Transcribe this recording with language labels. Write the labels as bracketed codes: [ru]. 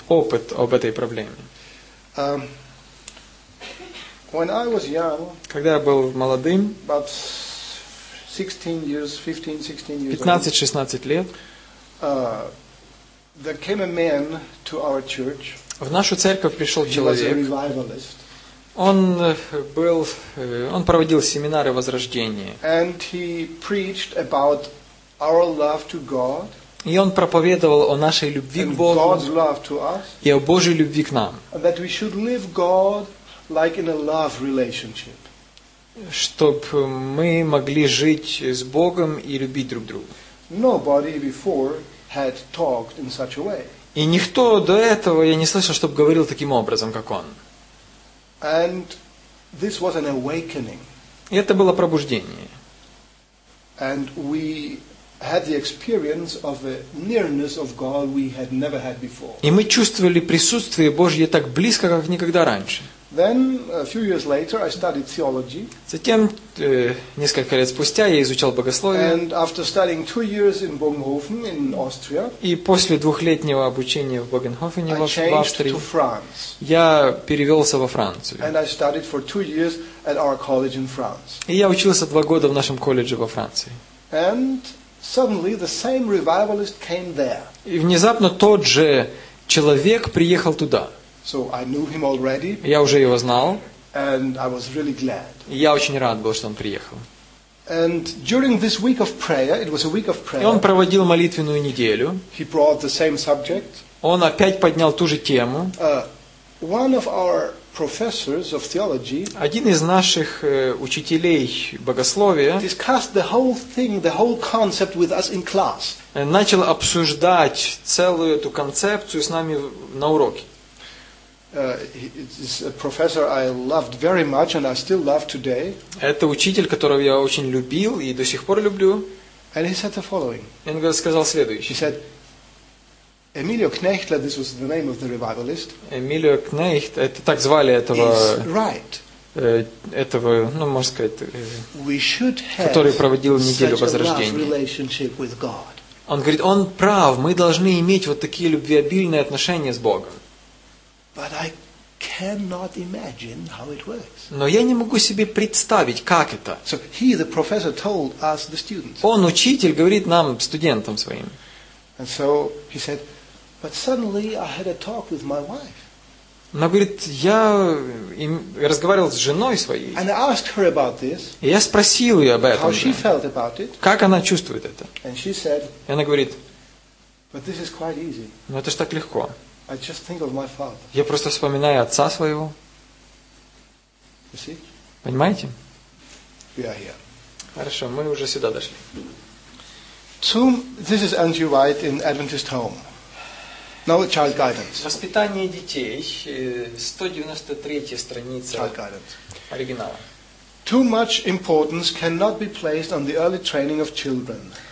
[ru] Опыт об этой проблеме. [en] When I was young, [ru] когда я был молодым, [en] about 15-16 years. [ru] 15-16 лет. [en] There came a man to our church. [ru] В нашу церковь пришел человек. [en] He was a revivalist. [ru] Он проводил семинары возрождения. [en] And he preached about our love to God. [ru] И он проповедовал о нашей любви к Богу. [en] And God's love to us. [ru] И о Божьей любви к нам. [en] And that we should live God like in a love relationship. [ru] Чтобы мы могли жить с Богом и любить друг друга. [en] Nobody before had talked in such a way. [ru] И никто до этого я не слышал, чтобы говорил таким образом, как он. [en] And this was an awakening. [ru] И это было пробуждение. [en] And we had the experience of a nearness of God we had never had before. [ru] И мы чувствовали присутствие Божье так близко, как никогда раньше. [en] Then a few years later I studied theology. [ru] Затем несколько лет спустя я изучал богословие. [en] And after studying 2 years in Bogenhofen in Austria. [ru] И после двухлетнего обучения в Богенхофене в Австрии. [en] I changed to France. [ru] Я перевёлся во Францию. [en] And I studied for 2 years at our college in France. [ru] И я учился 2 года в нашем колледже во Франции. [en] And suddenly the same revivalist came there. [ru] И внезапно тот же человек приехал туда. [en] So I knew him already. [ru] Я уже его знал. [en] And I was really glad. [ru] Я очень рад был, что он приехал. [en] And during this week of prayer, it was a week of prayer. [ru] И он проводил молитвенную неделю. [en] He brought the same subject. [ru] Он опять поднял ту же тему. [en] One of our professors of theology. [ru] Один из наших учителей богословия. [en] Discussed the whole thing, the whole concept with us in class. [ru] Начал обсуждать целую эту концепцию с нами на уроке. [en] It's a professor I loved very much and I still love today. [ru] Это учитель, которого я очень любил и до сих пор люблю. [en] And he said the following. [ru] Он сказал следующее. [en] He said, Emilio Knechtler, this was the name of the revivalist. [ru] Emilio Knecht, это так звали этого. [en] Is right. [ru] Этого, ну, можно сказать, [en] we should have [ru] который проводил неделю возрождения. [en] Relationship with God. [ru] Он говорит, он прав, мы должны иметь вот такие любвеобильные отношения с Богом. [en] But I cannot imagine how it works. [ru] Но я не могу себе представить, как это. [en] So he, the professor, told us the students. [ru] Он учитель говорит нам, студентам своим. [en] And so he said, but suddenly I had a talk with my wife. [ru] Но говорит, я разговаривал с женой своей. [en] And I asked her about this. [ru] И я спросил ее об этом. [en] How she felt about it. [ru] Как она чувствует это? [en] And she said. [ru] И она говорит. [en] But this is quite easy. [ru] Но это ж так легко. [en] I just think of my father. [ru] Я просто вспоминаю отца своего. [en] You see? [ru] Понимаете? [en] We are here. [ru] Хорошо, мы уже сюда дошли. [en] So, this is Andrew White in Adventist Home. No child guidance. [ru] Воспитание детей, 193-я страница. [en] Child guidance. [ru] Оригинала. [en] Too much importance cannot be placed on the early training of children.